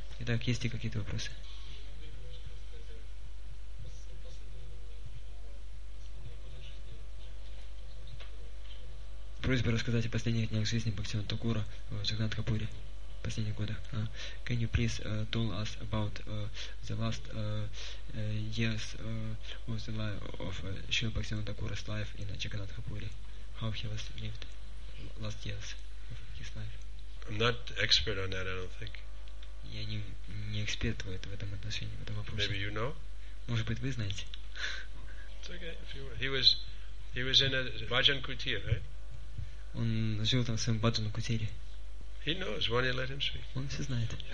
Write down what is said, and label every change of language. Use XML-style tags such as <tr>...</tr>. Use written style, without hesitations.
<ru>Итак, есть ли какие-то вопросы? Просьба рассказать о последних днях жизни Бхактивинода Такура в Джагнат Капуре. Последние годы.</ru> <en>Can you please tell us about the last years of the life of Srila Bhaktivinoda Thakura's life in Jagannath Puri? How he was lived last years of his life? I'm not expert on that, I don't think.</en> <ru>Я не эксперт в этом отношении, в этом вопросе.</ru> <en>Maybe you know?</en> <ru>Может быть, вы знаете.</ru> <en>It's okay. He was in a Bhajan Kutir, right?</en> <ru>Он жил там в своем Bhajan Kutire.</ru> <en>He knows. Why don't you let him speak?</en> <ru>Он все знает.</ru>